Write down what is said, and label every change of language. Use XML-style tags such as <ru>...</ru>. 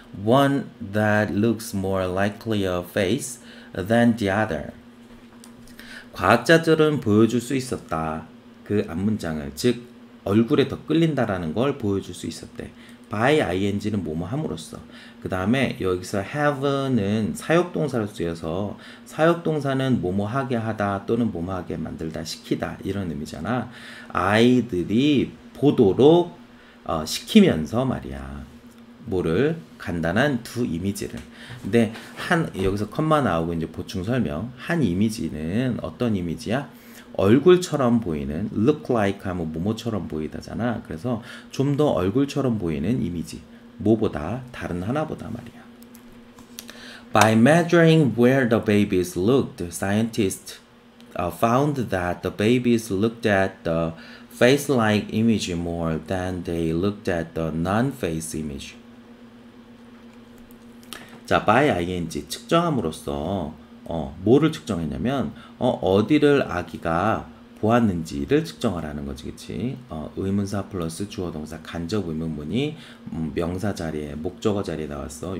<en>One that looks more likely a face than the other.</en> <ko>과학자들은 보여줄 수 있었다. 그 앞문장을, 즉 얼굴에 더 끌린다라는 걸 보여줄 수 있었대. by ing는 뭐뭐 함으로써. 그 다음에 여기서 have는 사역동사로 쓰여서 사역동사는 뭐뭐 하게 하다 또는 뭐뭐 하게 만들다 시키다 이런 의미잖아. 아이들이 보도록 시키면서 말이야. 뭐를? 간단한 두 이미지를. 근데 여기서 콤마 나오고 이제 보충 설명. 한 이미지는 어떤 이미지야? 얼굴처럼 보이는, look like 하면 뭐뭐처럼 보이다잖아. 그래서 좀 더 얼굴처럼 보이는 이미지. 뭐보다? 다른 하나보다 말이야.</ko> <en>By measuring where the babies looked, scientists found that the babies looked at the face-like image more than they looked at the non-face image.</en> <ko>자, by ing, 측정함으로써 뭐를 측정했냐면 어디를 아기가 보았는지를 측정하라는 거지, 그치? 의문사 플러스 주어동사 간접 의문문이 명사 자리에, 목적어 자리에 나왔어.</ko>